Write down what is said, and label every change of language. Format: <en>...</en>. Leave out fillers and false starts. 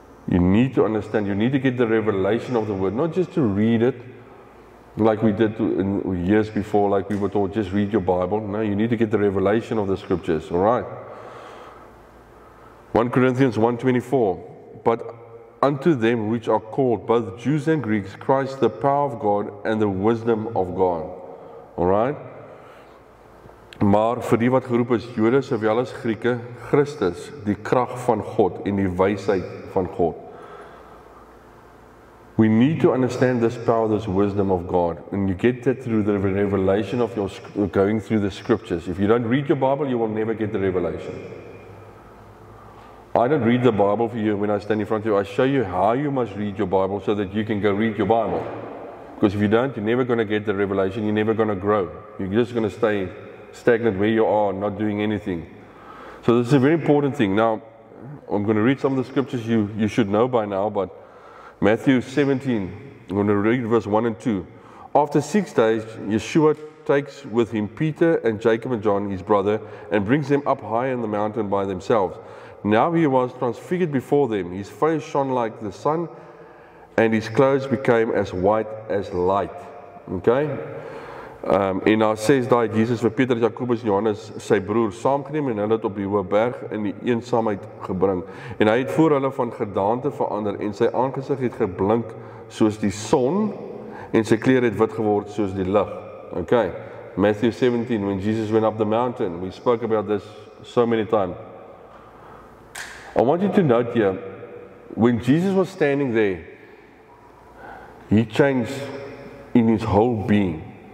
<en>You need to understand, you need to get the revelation of the Word, not just to read it like we did years before, like we were taught, just read your Bible. No, you need to get the revelation of the Scriptures, all right? 1 Corinthians 1:24, "But unto them which are called, both Jews and Greeks, Christ the power of God and the wisdom of God." All right?</en> <af>"Maar vir die wat geroep is, Jode sowel as Grieke, Christus, die krag van God en die wysheid van God."</af> <en>We need to understand this power, this wisdom of God. And you get that through the revelation of your going through the scriptures. If you don't read your Bible, you will never get the revelation. I don't read the Bible for you when I stand in front of you. I show you how you must read your Bible so that you can go read your Bible. Because if you don't, you're never going to get the revelation. You're never going to grow. You're just going to stay stagnant where you are, not doing anything. So this is a very important thing. Now, I'm going to read some of the scriptures you should know by now, but Matthew 17, I'm going to read verse 1 and 2. After 6 days, Yeshua takes with him Peter and Jacob and John, his brother, and brings them up high in the mountain by themselves. Now he was transfigured before them. His face shone like the sun, and his clothes became as white as light. Okay?</en> <af>En daar sês daai Jesus vir Petrus, Jakobus en Johannes sy broer saamgeneem en hulle het op die hoë berg in die eensaamheid gebring. En hy het voor hulle van gedaante verander en sy aangesig het geblink soos die son en sy kleer het wit geword soos die lig.</af> <en>Okay. Matthew 17, when Jesus went up the mountain, we spoke about this so many times. I want you to note here, when Jesus was standing there, he changed in his whole being.</en>